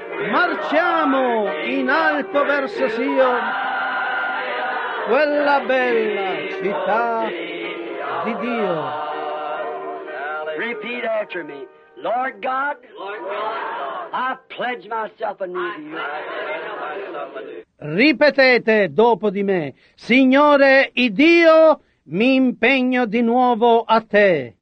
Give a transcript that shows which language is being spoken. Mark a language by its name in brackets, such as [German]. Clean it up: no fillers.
[Italian] Marciamo in alto verso Sion, quella bella città di Dio. [English] Repeat after me. Lord God, I pledge myself anew to you. [Italian] Ripetete dopo di me. Signore Iddio, mi impegno di nuovo a te.